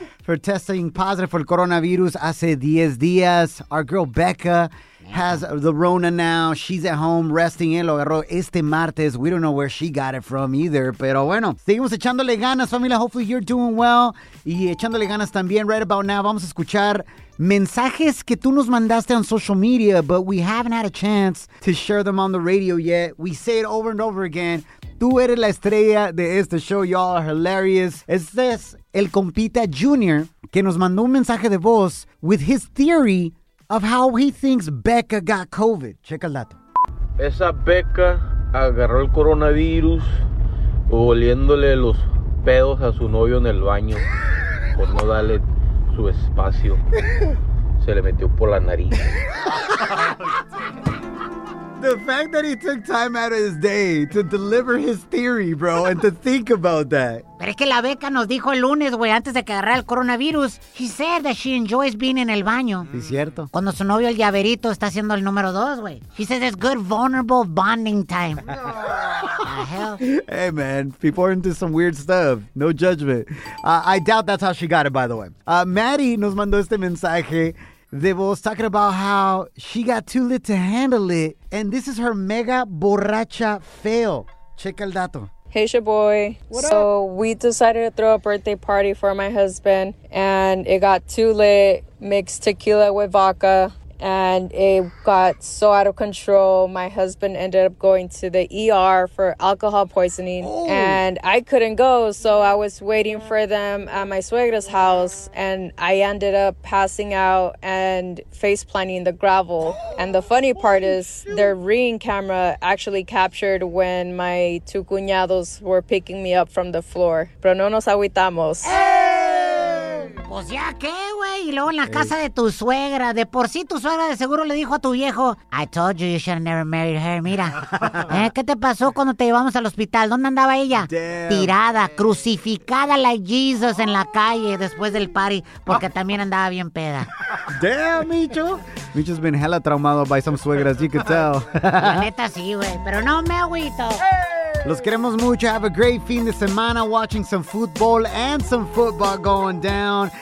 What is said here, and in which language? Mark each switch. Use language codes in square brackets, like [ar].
[en] For testing positive for coronavirus [es] hace 10 días. [en] Our girl Becca has the Rona now. She's at home resting. [es] Lo agarró este martes. [en] We don't know where she got it from either. [es] Pero bueno, seguimos echándole ganas, familia. [en] Hopefully you're doing well. [es] Y echándole ganas también [en] right about now. [es] Vamos a escuchar mensajes que tú nos mandaste [en] on social media, but we haven't had a chance to share them on the radio yet. We say it over and over again. [es] Tú eres la estrella de este show. [en] Y'all are hilarious. [es] Este es el compita Junior que nos mandó un mensaje de voz [en] with his theory of how he thinks Becca got COVID. [es] Checa el dato. Esa Becca agarró el coronavirus oliéndole los pedos a su novio en el baño por no darle su espacio. Se le metió por la nariz. [en] The fact that he took time out of his day to deliver his theory, bro, and to think about that. [es] Pero es que la Becca nos dijo el lunes, güey, antes de que agarrara el coronavirus, [en] he said that she enjoys being in [es] el baño. Sí, cierto. Cuando su novio, el llaverito, está haciendo el número dos, güey. [en] He says it's good vulnerable bonding time. Hey, man, people are into some weird stuff. No judgment. I doubt that's how she got it, by the way. [es] Maddie nos mandó este mensaje. [en] They was talking about how she got too lit to handle it, and this is her [es] mega borracha [en] fail. [es] Check el dato. [en] Hey, Shaboy. So we decided to throw a birthday party for my husband, and it got too lit, mixed tequila with vodka, and it got so out of control. My husband ended up going to the ER for alcohol poisoning, and I couldn't go, so I was waiting for them at my suegra's house, and I ended up passing out and face planting the gravel. And the funny part is their Ring camera actually captured when my two cuñados were picking me up from the floor. [es] Pero no nos agüitamos. Pues ya, ¿qué, güey? Y luego en la casa de tu suegra. De por sí, tu suegra de seguro le dijo a tu viejo, [en] I told you you should have never married her. [es] Mira, ¿qué te pasó cuando te llevamos al hospital? ¿Dónde andaba ella? [en] Damn. [es] Tirada, crucificada like Jesus en la calle después del party, porque también andaba bien peda. [en] Damn, Micho. Micho's been hella traumado by some suegras, you can tell. [es] La neta sí, güey, pero no me agüito. Los queremos mucho. [en] Have a great [es] fin de semana [en] watching some football and some football going down.